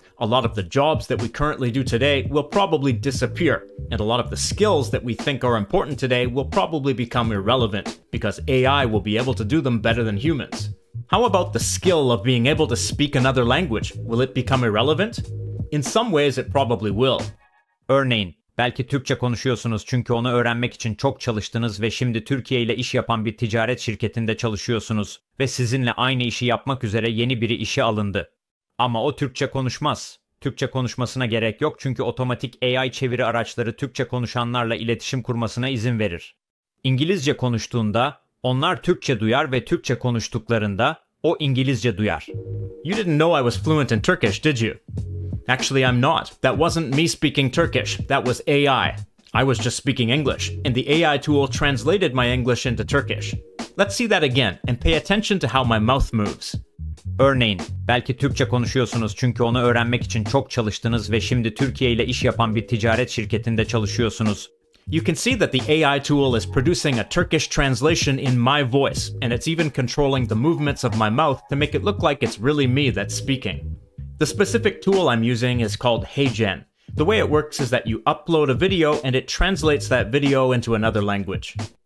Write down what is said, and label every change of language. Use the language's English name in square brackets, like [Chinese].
[English] A lot of the jobs that we currently do today will probably disappear, and a lot of the skills that we think are important today will probably become irrelevant, because AI will be able to do them better than humans. How about the skill of being able to speak another language? Will it become irrelevant? In some ways, it probably will. [Turkish] Örneğin, belki Türkçe konuşuyorsunuz çünkü onu öğrenmek için çok çalıştınız ve şimdi Türkiye ile iş yapan bir ticaret şirketinde çalışıyorsunuz ve sizinle aynı işi yapmak üzere yeni biri işe alındı. Ama o Türkçe konuşmaz. Türkçe konuşmasına gerek yok çünkü otomatik AI çeviri araçları Türkçe konuşanlarla iletişim kurmasına izin verir. İngilizce konuştuğunda, onlar Türkçe duyar ve Türkçe konuştuklarında, o İngilizce duyar. [English] You didn't know I was fluent in Turkish, did you? Actually, I'm not. That wasn't me speaking Turkish. That was AI. I was just speaking English, and the AI tool translated my English into Turkish. Let's see that again, and pay attention to how my mouth moves. [Turkish] Örneğin, belki Türkçe konuşuyorsunuz çünkü onu öğrenmek için çok çalıştınız ve şimdi Türkiye ile iş yapan bir ticaret şirketinde çalışıyorsunuz. [English] You can see that the AI tool is producing a Turkish translation in my voice, and it's even controlling the movements of my mouth to make it look like it's really me that's speaking. The specific tool I'm using is called HeyGen. The way it works is that you upload a video and it translates that video into another language.